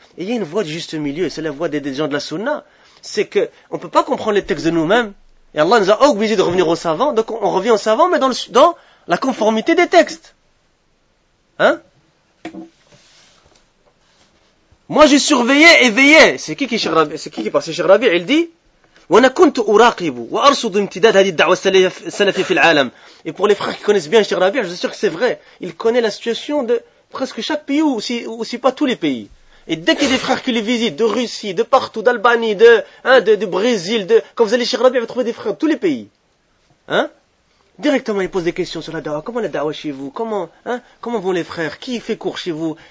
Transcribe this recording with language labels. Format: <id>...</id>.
<fr>Et il y a une voix du juste milieu, c'est la voix des gens de la sunna. C'est que, on peut pas comprendre les textes de nous-mêmes. Et Allah nous a obligé de revenir aux savants, donc on revient aux savants, mais dans la conformité des textes. Hein? Moi, je surveillais et veillais. C'est qui est passé chez Rabi? Il dit</fr> <ar>وَنَكُنْتُ أُرَاقِبُ وَأَرْصُدُ امْتِدَادَ هَدِي الدَّعْوَ السَّلَفِي فِي الْعَالَمِ.</ar> <fr>Et pour les frères qui connaissent bien Cheikh Rabi, je suis sûr que c'est vrai. Il connaît la situation de presque chaque pays, ou si, pas tous les pays. Et dès qu'il y a des frères qui les visitent, de Russie, de partout, d'Albanie, de Brésil, de... quand vous allez chez Rabi, vous trouvez des frères de tous les pays. Hein? Directement, il pose des questions sur la da'wah. Comment la da'wah chez vous? Comment, hein? Comment vont les frères? Qui fait cours chez vous?</fr>